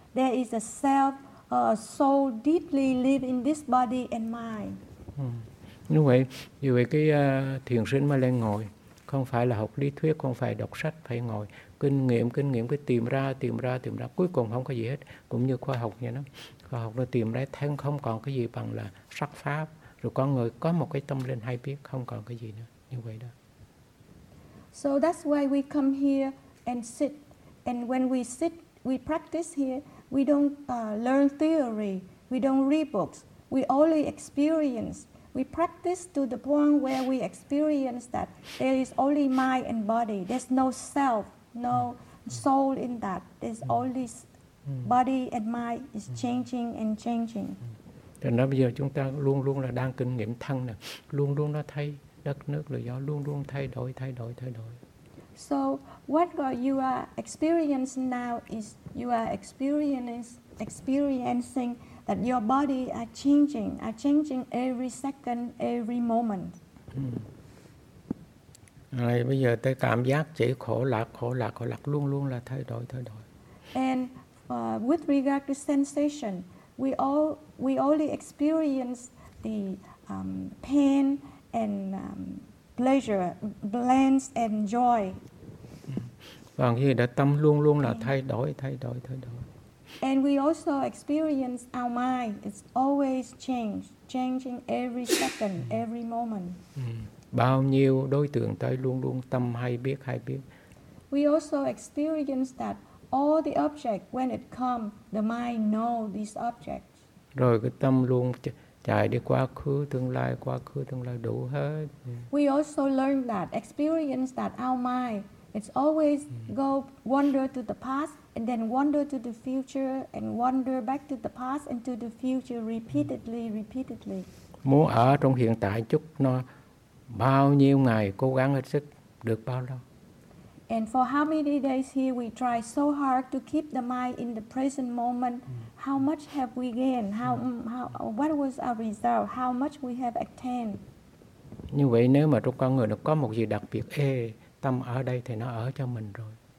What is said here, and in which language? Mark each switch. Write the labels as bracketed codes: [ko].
[en] There is a self, a soul deeply live in this body and mind. [vi] Như vậy, cái thiền sinh mà lên ngồi, không phải là học lý thuyết, không phải đọc sách, phải ngồi. Kinh nghiệm cứ tìm ra, cuối cùng không có gì hết. Cũng như khoa học vậy đó. Khoa học nó tìm ra thân không còn cái gì bằng là sắc pháp. Rồi con người có một cái tâm linh hay biết, không còn cái gì nữa. Như vậy đó. [en] So that's why we come here and sit. And when we sit, we practice here, we don't learn theory, we don't read books, we only experience. We practice to the point where we experience that there is only mind and body. There's no self, no soul in that. There's only body and mind is changing and changing. [vi] Thế nên bây giờ chúng ta luôn luôn là đang kinh nghiệm thân nè. Luôn luôn nó thay đất nước rồi gió, luôn luôn thay đổi. [en] So what you are experiencing now is you are experiencing that your body are changing every second, every moment. [vi] Rồi bây giờ tới cảm giác chỉ khổ lạc, luôn luôn là thay đổi. [en] And with regard to sensation, we only experience the pain and pleasure, bliss and joy. [vi] Còn cái gì đó tâm luôn luôn là thay đổi. [en] And we also experience our mind. It's always changing every second, every moment. [vi] Bao nhiêu đối tượng tới luôn luôn tâm hay biết. [en] We also experience that all the object when it come, the mind know these objects. [vi] Rồi cái tâm luôn chạy đi quá khứ, tương lai đủ hết. [en] We also learn that, experience that our mind, it's always go wander to the past, and then wander to the future, and wander back to the past and to the future repeatedly. [vi] Muốn ở trong hiện tại chút nó bao nhiêu ngày cố gắng hết sức được bao lâu. [en] And for how many days here we try so hard to keep the mind in the present moment, how much have we gained? How what was our result? How much we have attained? [vi] Như vậy nếu mà trong con người nó có một gì đặc biệt, tâm ở đây thì nó ở cho mình rồi.